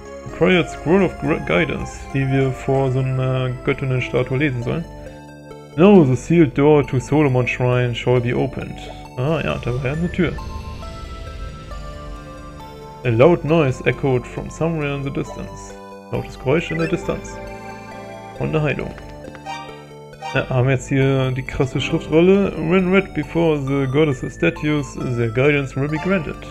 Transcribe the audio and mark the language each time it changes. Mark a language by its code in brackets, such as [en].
[de] The Quiet Scroll of Guidance, die wir vor so einer Göttinnenstatue lesen sollen. [en] Now the sealed door to Solomon Shrine shall be opened. [de] Ah ja, da war ja eine Tür. [en] A loud noise echoed from somewhere in the distance. [de] Lautes Geräusch in der Distanz. Und eine Heilung. Ja, haben wir jetzt hier die krasse Schriftrolle. [en] When read before the goddess of statues, their guidance will be granted.